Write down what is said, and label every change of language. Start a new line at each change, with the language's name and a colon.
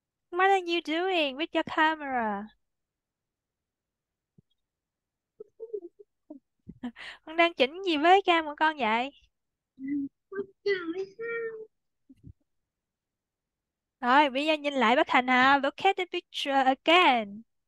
English: What are you doing with your camera?
Vietnamese: Con đang chỉnh gì với cam của con vậy? Rồi, bây giờ nhìn lại bức hình ha.
English: Look at the picture again.